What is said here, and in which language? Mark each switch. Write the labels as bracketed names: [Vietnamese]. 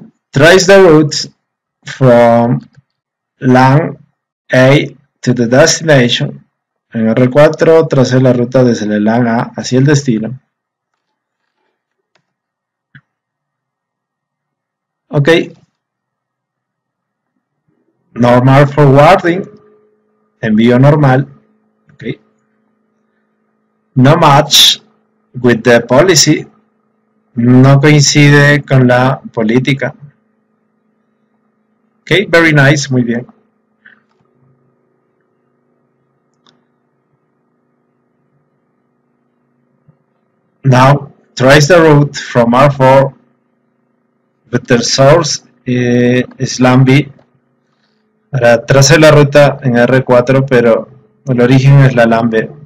[English] Trace the route from LAN A to the destination. [Spanish] En R4 trace la ruta desde el LAN A hacia el destino. [English] Okay. Normal forwarding. [Spanish] Envío normal. [English] Okay. No match with the policy. [Spanish] No coincide con la política. [English] Okay, very nice, [Spanish] muy bien. [English] Now, trace the route from R4, but the source is Lambi. [Spanish] Ahora, trace la ruta en R4, pero el origen es la Lambi.